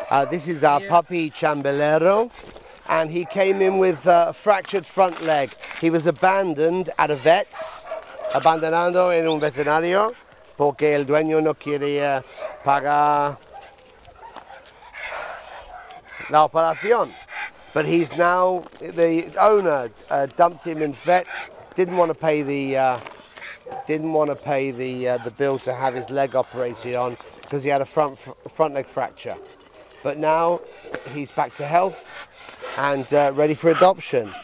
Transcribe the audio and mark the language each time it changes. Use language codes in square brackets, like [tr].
[en] This is our puppy Chambilero, and he came in with a fractured front leg. He was abandoned at a vet's, [es] abandonado en un veterinario, porque el dueño no quería pagar la operación. [en] But he's now, the owner dumped him in vets, didn't want to pay the bill to have his leg operated on because he had a front leg fracture. But now he's back to health and ready for adoption.